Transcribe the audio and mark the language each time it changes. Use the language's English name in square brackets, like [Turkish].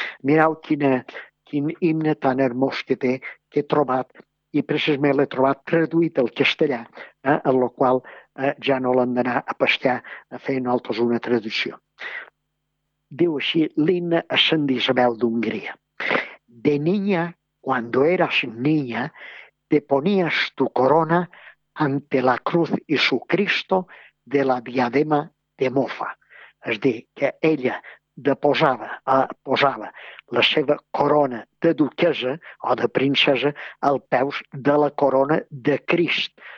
[Catalan] Mireu quin himne tan hermós que té, que he trobat, i precisament l'he trobat traduït al castellà, en el qual ja no l'han d'anar a pescar a fer nosaltres una traducció. Diu així l'himne a Santa Isabel d'Hongria. [Spanish] De niña, cuando eras niña, te ponías tu corona ante la cruz y su Cristo de la diadema de mofa. [Catalan] És a dir, que ella posava la seva corona de duquesa o de princesa als peus de la corona de Crist.